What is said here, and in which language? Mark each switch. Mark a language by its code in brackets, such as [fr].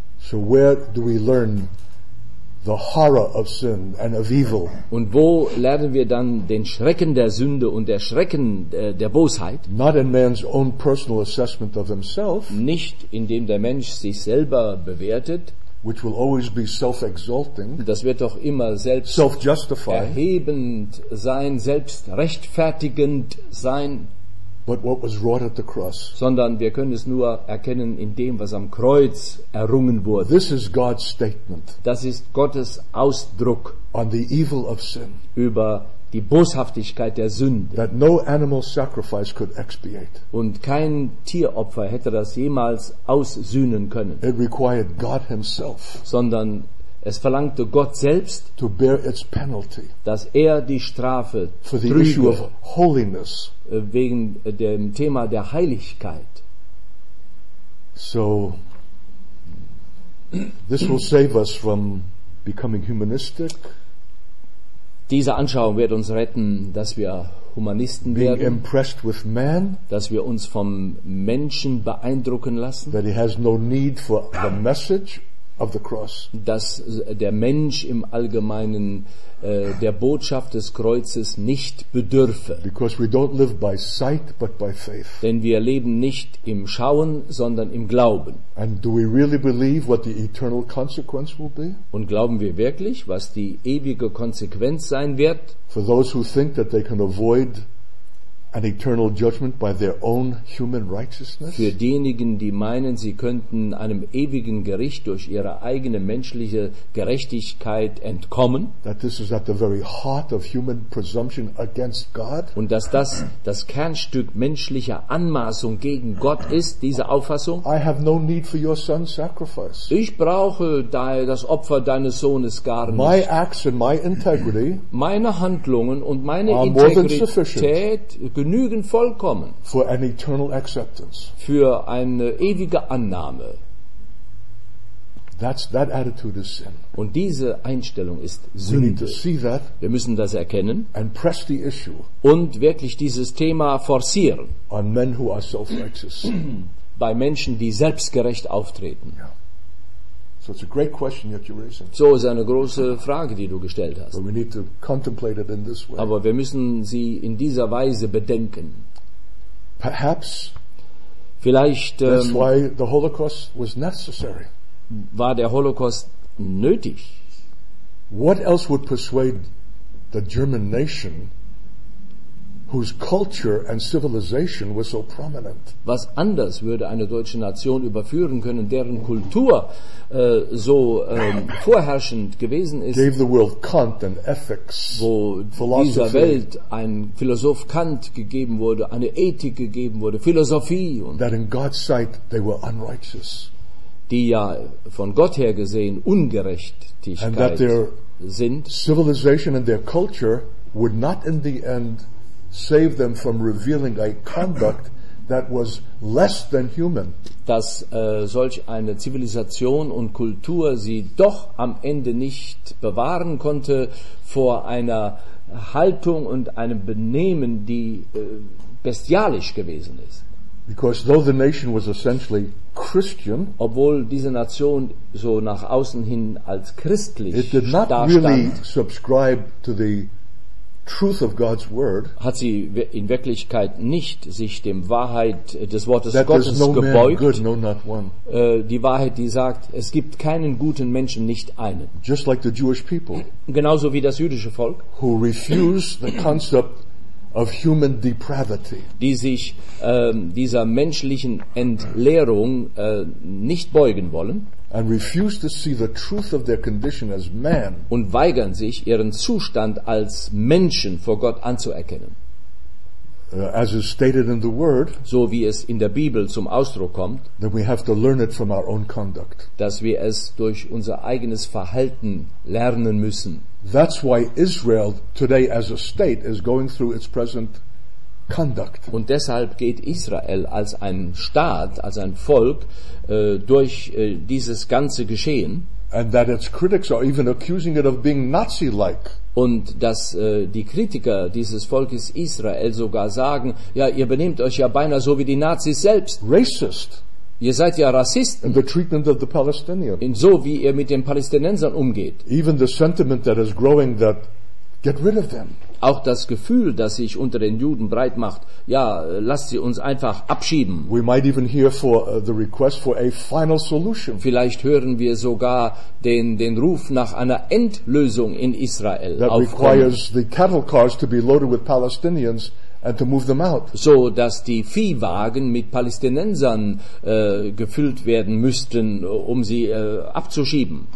[en] So where do we learn the horror of sin and of evil? [de] Und wo lernen wir dann den Schrecken der Sünde und der Schrecken der Bosheit? [en] Not in man's own personal assessment of himself, [de] nicht indem der Mensch sich selber bewertet, [en] which will always be self-exalting, [de] das wird doch immer selbst [en] self-justifying, [de] erhebend sein, selbst rechtfertigend sein, [en] but what was wrought at the cross, [de] sondern wir können es nur erkennen in dem, was am Kreuz errungen wurde. [en] This is God's statement, [de] das ist Gottes Ausdruck, [en] on the evil of sin, [de] über die Boshaftigkeit der Sünde, [en] that no animal sacrifice could expiate, [de] und kein Tieropfer hätte das jemals aussühnen können. [en] It required God himself, [de] sondern es verlangte Gott selbst, [en] to bear its penalty, [de] dass er die Strafe [en] for the issue of holiness, [de] wegen dem Thema der Heiligkeit. [en] So, this will save us from becoming humanistic. [de] Diese Anschauung wird uns retten, dass wir Humanisten [en] being [de] werden, [en] impressed with man, [de] dass wir uns vom Menschen beeindrucken lassen, [en] that he has no need for the message of the cross, [de] dass der Mensch im Allgemeinen der Botschaft des Kreuzes nicht bedürfe. [en] Because we don't live by sight, but by faith. [de] Denn wir leben nicht im Schauen, sondern im Glauben. [en] And do we really believe what the eternal consequence will be? [de] Und glauben wir wirklich, was die ewige Konsequenz sein wird? [en] For those who think that they can avoid an eternal judgment by their own human righteousness? [de] Für diejenigen, die meinen, sie könnten einem ewigen Gericht durch ihre eigene menschliche Gerechtigkeit entkommen, [en] that this is at the very heart of human presumption against God, [de] und dass das das Kernstück menschlicher Anmaßung gegen Gott ist, diese Auffassung, [en] I have no need for your son's sacrifice. [de] Ich brauche das Opfer deines Sohnes gar nicht. [en] My acts and my integrity, [de] meine Handlungen und meine Integrität genügen vollkommen [en] for an eternal acceptance, [de] für eine ewige Annahme. [en] That attitude is sin. [de] Und diese Einstellung ist Sünde. [en] We need to see that, [de] wir müssen das erkennen [en] and press the issue, [de] und wirklich dieses Thema forcieren, [en] on men who are self-righteous, [de] bei Menschen, die selbstgerecht auftreten. [en] Yeah. So, it's a great question that you're raising. [de] So ist eine große Frage, die du gestellt hast. [en] But we need to contemplate it in this way. [de] Aber wir müssen sie in dieser Weise bedenken. [en] Perhaps [de] vielleicht [en] that's why the Holocaust was necessary. [de] War der Holocaust nötig? [en] What else would persuade the German nation, whose culture and civilization was so prominent? [de] Was anders würde eine deutsche Nation überführen können, deren Kultur vorherrschend gewesen ist? [en] Gave the world Kant and ethics, [de] wo [en] philosophy. [de] Dieser Welt ein Philosoph Kant gegeben wurde, eine Ethik gegeben wurde, Philosophie. Und [en] that in God's sight they were unrighteous. [de] Die ja von Gott her gesehen Ungerechtigkeit [en] and that their [de] sind. [en] Civilization and their culture would not in the end save them from revealing a conduct that was less than human. [de] Dass solch eine Zivilisation und Kultur sie doch am Ende nicht bewahren konnte vor einer Haltung und einem Benehmen, die bestialisch gewesen ist. [en] Because though the nation was essentially Christian, [de] obwohl diese Nation so nach außen hin als christlich [en] it did not [de] dastand, [en] really subscribe to the truth of God's word, [de] hat sie in Wirklichkeit nicht sich dem Wahrheit des Wortes Gottes [en] no [de] gebeugt. [en] Good, no not one. [de] Die Wahrheit, die sagt, es gibt keinen guten Menschen, nicht einen. [en] Just like the Jewish people, [de] genauso wie das jüdische Volk, [en] who refused the concept of human depravity, [de] die sich dieser menschlichen Entleerung nicht beugen wollen. [en] And refuse to see the truth of their condition as man, [de] und weigern sich, ihren Zustand als Menschen vor Gott anzuerkennen. [en] As is stated in the word, [de] so wie es in der Bibel zum Ausdruck kommt, [en] then we have to learn it from our own conduct, [de] dass wir es durch unser eigenes Verhalten lernen müssen. [en] That's why Israel today as a state is going through its present conduct. [de] Und deshalb geht Israel als ein Staat, als ein Volk durch dieses ganze Geschehen. [en] And that its critics are even accusing it of being Nazi-like. [de] Und dass die Kritiker dieses Volkes Israel sogar sagen, ja, ihr benehmt euch ja beinahe so wie die Nazis selbst. [en] Racist. [de] Ihr seid ja Rassisten. [en] In the treatment of the Palestinians. [de] In so wie ihr mit den Palästinensern umgeht. [en] Even the sentiment that is growing that get rid of them. [de] Auch das Gefühl, das sich unter den Juden breit macht, ja, lasst sie uns einfach abschieben. [en] We might even hear for the request for a final solution. [de] Vielleicht hören wir sogar den Ruf nach einer Endlösung in Israel. [en] That requires the cattle cars to be loaded with Palestinians and to move them out. [de] So dass die Viehwagen mit Palästinensern gefüllt werden müssten, um sie abzuschieben.